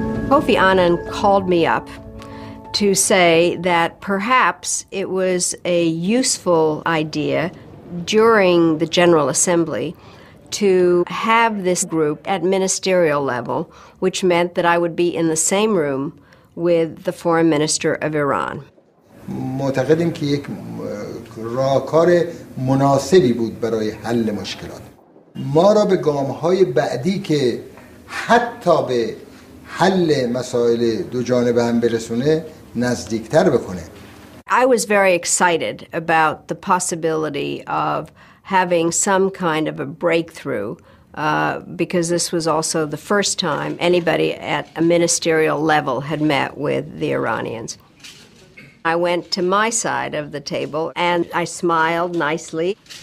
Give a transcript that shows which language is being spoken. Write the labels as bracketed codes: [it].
[en] Kofi Annan called me up to say that perhaps it was a useful idea during the General Assembly to have this group at ministerial level, which meant that I would be in the same room with the Foreign Minister of Iran. [fa] معتقدیم که یک راهکار مناسبی بود برای حل مشکلات. ما را به گام‌های بعدی که حتی به حل مسائل دو جانبه هم برسونه نزدیکتر بکنه. [en] I was very excited about the possibility of having some kind of a breakthrough because this was also the first time anybody at a ministerial level had met with the Iranians. I went to my side of the table and I smiled nicely.